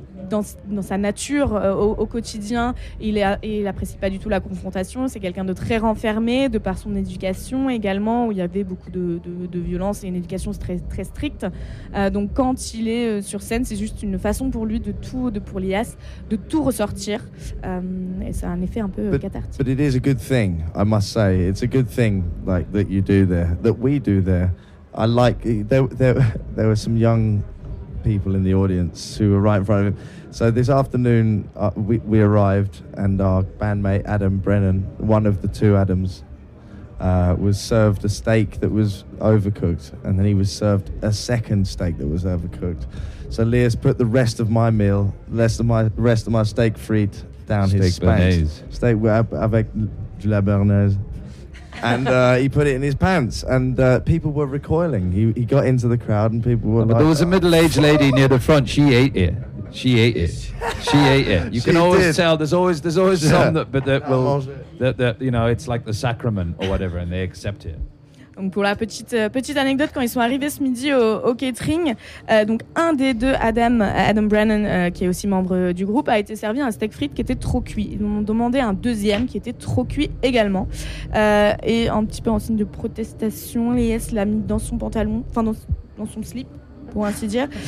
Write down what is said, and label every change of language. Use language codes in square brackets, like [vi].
[fr] Dans sa nature, au quotidien, il apprécie pas du tout la confrontation. C'est quelqu'un de très renfermé, de par son éducation également, où il y avait beaucoup de violence et une éducation très, très stricte. Donc quand il est sur scène, c'est juste une façon pour lui, pour Elias, de tout ressortir. Et ça a un effet un peu cathartique. [en] But it is a good thing, I must say. It's a good thing like, that you do there, that we do there. I like, there were some young people in the audience who were right in front of him. So this afternoon, we arrived and our bandmate Adam Brennan, one of the two Adams, was served a steak that was overcooked. And then he was served a second steak that was overcooked. So Elias put the rest of my meal, rest of my steak frites down steak his pants. Steak [fr] avec de la béarnaise. [en] And he put it in his pants, and people were recoiling. He got into the crowd, and people were But there was a middle-aged lady near the front. She ate it. She ate it. She ate it. You can always tell. There's always some that you know, it's like the sacrament or whatever, and they accept it. [fr] Donc pour la petite anecdote, quand ils sont arrivés ce midi au catering, donc un des deux, Adam Brennan, qui est aussi membre du groupe, a été servi un steak frites qui était trop cuit. Ils m'ont demandé un deuxième qui était trop cuit également. Et un petit peu en signe de protestation, Elias l'a mis dans son pantalon, enfin dans son slip, pour ainsi dire.